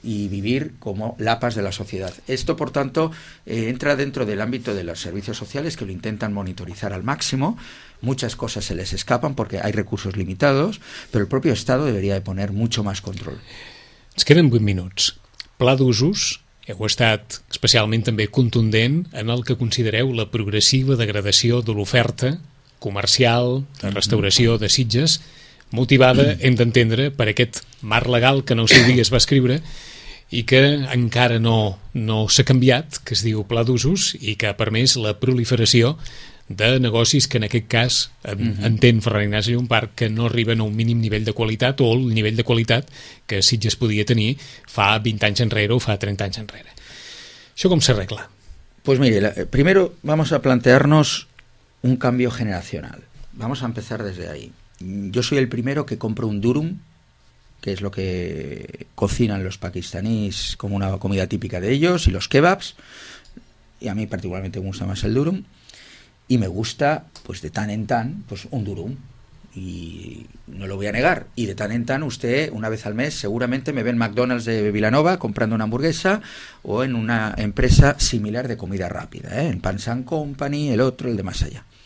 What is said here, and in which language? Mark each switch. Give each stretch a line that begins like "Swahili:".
Spanish: Y vivir como lapas de la sociedad. Esto, por tanto, entra dentro del ámbito de los servicios sociales, que lo intentan monitorizar al máximo. Muchas cosas se les escapan porque hay recursos limitados, pero el propio Estado debería de poner mucho más control.
Catalan: Ens queden 8 minuts. Pla d'usos. Heu estat especialment també contundent en el que considereu la progressiva degradació de l'oferta comercial de restauració de Sitges, motivada, hem d'entendre, per aquest marc legal que en el seu dia es va escriure i que encara no s'ha canviat, que es diu Pla d'Usos, i que ha permès la proliferació de negocis que, en aquest cas, entén Ferran Ignasi Llompart, que no arriben a un mínim nivell de qualitat o el nivell de qualitat que Sitges podia tenir fa 20 anys enrere o fa 30 anys enrere. Això com s'arregla?
Spanish: Pues mire, primero vamos a plantearnos un cambio generacional. Vamos a empezar desde ahí. Yo soy el primero que compro un durum, que es lo que cocinan los pakistaníes como una comida típica de ellos, y los kebabs, y a mí particularmente me gusta más el durum, y me gusta, pues de tan en tan, pues un durum, y no lo voy a negar, y de tan en tan usted, una vez al mes, seguramente me ve en McDonald's de Vilanova comprando una hamburguesa, o en una empresa similar de comida rápida, en Pans and Company, el otro, el de más allá.